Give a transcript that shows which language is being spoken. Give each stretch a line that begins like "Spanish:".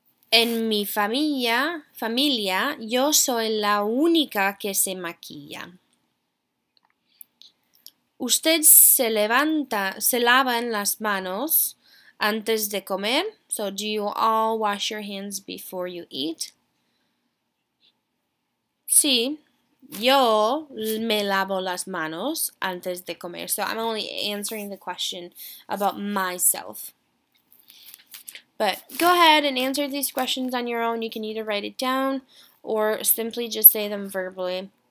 Spanish: En mi familia, yo soy la única que se maquilla. ¿Usted se lavan las manos antes de comer?
English: So, do you all wash your hands before you eat?
Spanish: Sí, yo me lavo las manos antes de comer.
English: So I'm only answering the question about myself. But go ahead and answer these questions on your own. You can either write it down or simply just say them verbally.